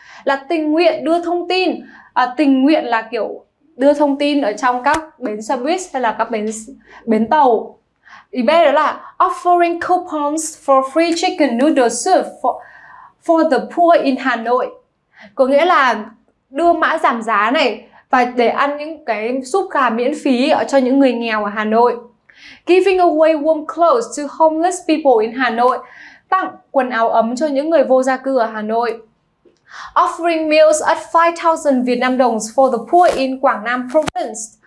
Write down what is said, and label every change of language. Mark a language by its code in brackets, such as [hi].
[vi] Là tình nguyện đưa thông tin. Tình nguyện là kiểu đưa thông tin ở trong các bến xe buýt hay là các bến tàu. Ý B đó là [en] offering coupons for free chicken noodle soup for the poor in Hà Nội. [vi] Có nghĩa là đưa mã giảm giá này và để ăn những cái súp gà miễn phí cho những người nghèo ở Hà Nội. [en] Giving away warm clothes to homeless people in Hà Nội. [vi] Tặng quần áo ấm cho những người vô gia cư ở Hà Nội. [en] Offering meals at 5,000 Việt Nam đồng for the poor in Quảng Nam province.